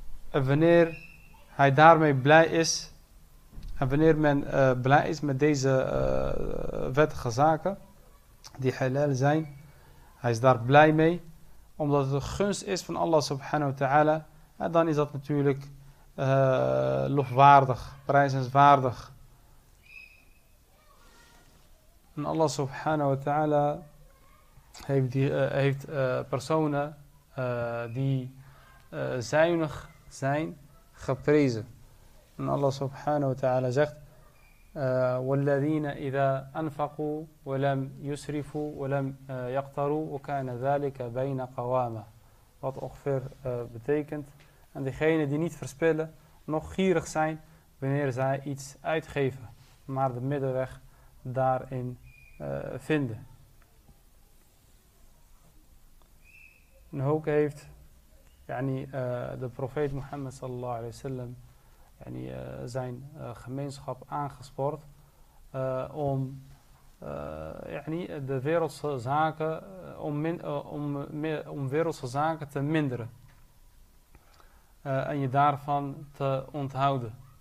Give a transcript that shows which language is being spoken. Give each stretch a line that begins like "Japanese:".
Dutch: En wanneer hij daarmee blij is, en wanneer men blij is met deze wettige zaken die halal zijn, hij is daar blij mee, omdat het een gunst is van Allah subhanahu wa ta'ala, en dan is dat natuurlijk lofwaardig, prijzenswaardig. En Allah subhanahu wa ta'ala heeft personen die zuinig zijn geprezen. En Allah subhanahu wa ta'ala zegt:
Arabic: وَالَّذِينَ إِذَا أَنْفَقُوا وَلَمْ يُسْرِفُوا وَلَمْ يَقْتَرُوا وَكَانَ ذَلِكَ بَيْنَ قَوَامًا.
Dutch: Wat ongeveer betekent: en diegenen die niet verspillen, nog gierig zijn wanneer zij iets uitgeven, maar de middenweg daarin vinden. En ook heeft de profeet Mohammed sallallahu alayhi wa sallam zijn gemeenschap aangespoord om de wereldse zaken om wereldse zaken te minderen en je daarvan te onthouden.